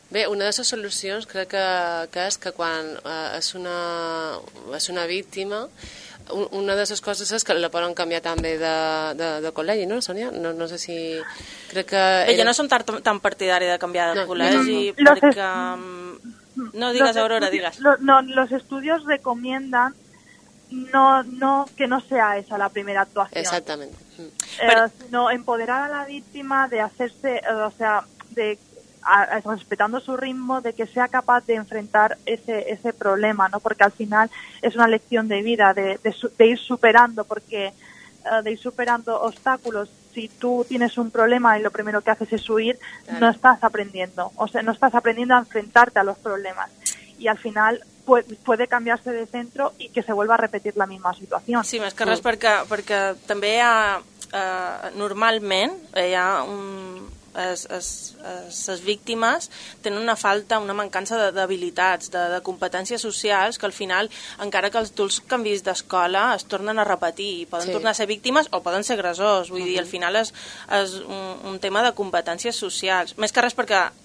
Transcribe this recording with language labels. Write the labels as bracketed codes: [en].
[ca] Bé, una de les solucions crec que és que quan és una víctima, una de les coses és que la poden canviar també de col·legi, no, Sònia? No sé si... Crec que era... Jo no som tan partidària de canviar de col·legi, perquè... No, digues, Aurora, digues. [es] No, los estudios recomiendan no que no sea esa la primera actuación. Exactamente. Sino empoderar a la víctima de hacerse, o sea, de respetando su ritmo, de que sea capaz de enfrentar ese problema, ¿no? Porque al final es una lección de vida, de ir superando, porque de ir superando obstáculos. Si tú tienes un problema y lo primero que haces es huir, claro, no estás aprendiendo. O sea, no estás aprendiendo a enfrentarte a los problemas. Y al final puede cambiarse de centro y que se vuelva a repetir la misma situación. [ca] Sí, más que res, porque también normalmente hay les víctimes tenen una falta, una mancança d'habilitats, de competències socials, que al final, encara que els adults canvis d'escola, es tornen a repetir i poden tornar a ser víctimes o poden ser agressors. Vull dir, al final és un tema de competències socials. Més que res perquè